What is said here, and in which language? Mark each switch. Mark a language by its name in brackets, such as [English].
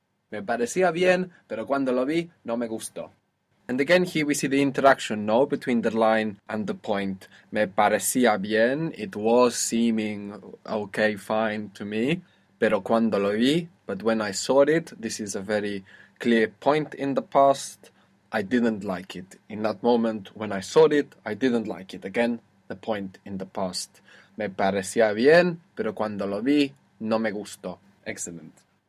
[Spanish] Me parecía bien, pero cuando lo vi, no me gustó. [English] And again, here we see the interaction, no, between the line and the point. [Spanish] Me parecía bien, [English] it was seeming okay, fine to me, [Spanish] pero cuando lo vi, [English] but when I saw it, this is a very clear point in the past, I didn't like it. In that moment, when I saw it, I didn't like it. Again, the point in the past. [Spanish] Me parecía bien, pero cuando lo vi, no me gustó. [English] Excellent.